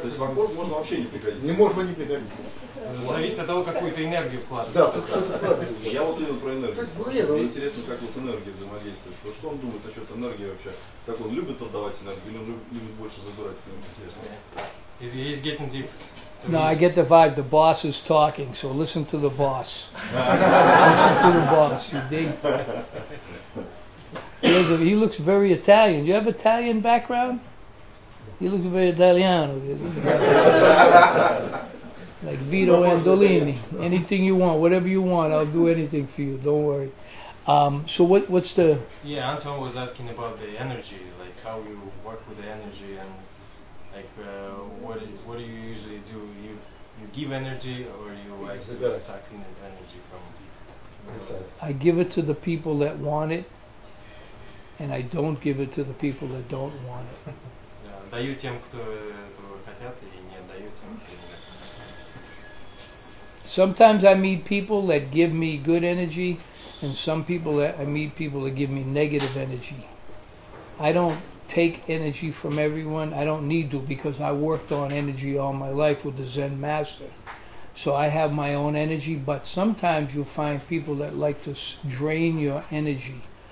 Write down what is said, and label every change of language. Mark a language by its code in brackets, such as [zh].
[ru] То есть в аккорд можно вообще не приходить? Не можно не приходить. Зависит от того, какую ты энергию вкладываешь. Да, только что-то вкладываешь. Я вот именно про энергию. Мне интересно, как вот энергия взаимодействует. То, что он думает насчет энергии вообще? Как он любит отдавать энергию, или он любит больше забирать? Мне интересно. [en] He's getting deep. No, I get the vibe. The boss is talking, so listen to the boss. Listen to the boss. You dig? He looks very Italian. You have Italian background? He looks very Italiano. Like Vito Andolini. Anything you want, whatever you want, I'll do anything for you. Don't worry. So what's the... Yeah, Anton was asking about the energy, like how you work with the energy and like what do you usually do? You give energy or you like suck in the energy from people? I give it to the people that want it. And I don't give it to the people that don't want it. [ru] Даю тем, кто этого хотят, и не даю тем, кто не хотят. [en] Sometimes I meet people that give me good energy, and some people that I meet people that give me negative energy. I don't take energy from everyone. I don't need to, because I worked on energy all my life with the Zen master. So I have my own energy, but sometimes you'll find people that like to drain your energy.